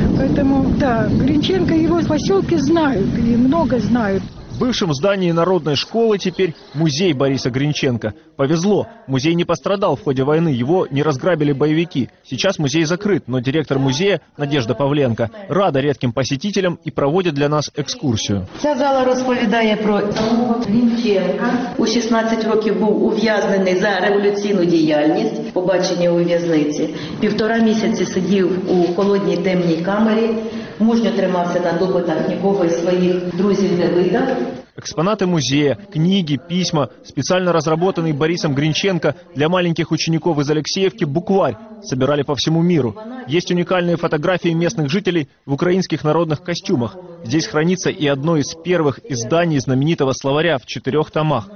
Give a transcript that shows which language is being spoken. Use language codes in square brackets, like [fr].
[ru] Поэтому, да, Гринченко его в поселке знают и много знают. В бывшем здании народной школы теперь музей Бориса Гринченко. Повезло, музей не пострадал в ходе войны, его не разграбили боевики. Сейчас музей закрыт, но директор музея Надежда Павленко рада редким посетителям и проводит для нас экскурсию. [uk] Ця зала розповідає про Гринченка. У 16 років був ув'язнений за революційну діяльність, побачення у в'язниці. Півтора місяці сидів у холодній темній камері. Мужньо тримався на допитах, нікого із своїх друзів не видав. [ru] Экспонаты музея, книги, письма, специально разработанный Борисом Гринченко для маленьких учеников из Алексеевки букварь собирали по всему миру. Есть уникальные фотографии местных жителей в украинских народных костюмах. Здесь хранится и одно из первых изданий знаменитого словаря в 4 томах.